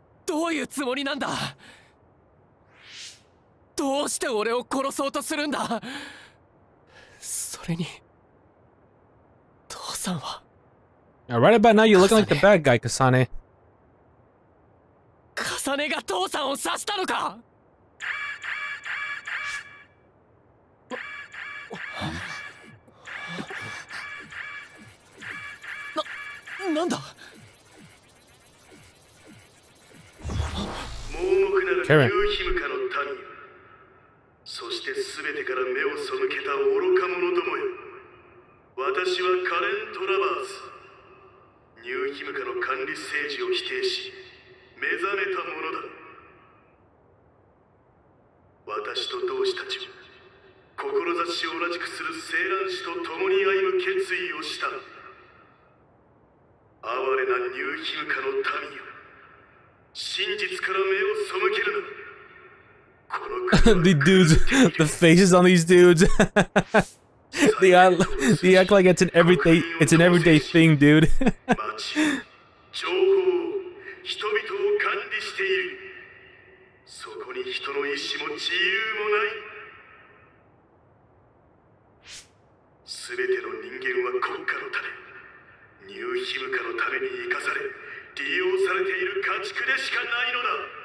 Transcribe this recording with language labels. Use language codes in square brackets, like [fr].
[ja] どういうつもりなんだ。どうして俺を殺そうとするんだ。それに父さんは。 [en] Now, right about now, you're looking like the bad guy, Kasane. [ja] Kasane が父さんを刺したのか。なんだ。盲目なる竜ヒムカの民、そして全てから目を背けた愚か者どもよ。私はカレン・トラバーズ。ニューヒムカの管理政治を否定し目覚めた者だ。私と同志たちは志を同じくする青蘭氏と共に歩む決意をした。哀れなニューヒムカの民よ、真実から目を背けるな。 [en] このthe dudes, the faces on these dudes. They act like it's an everyday thing, dude. [ja] 情報を人々を管理している。そこに人の意思も自由もない。全ての人間は国家のため、ニューヒムカのために生かされ利用されている家畜でしかないのだ。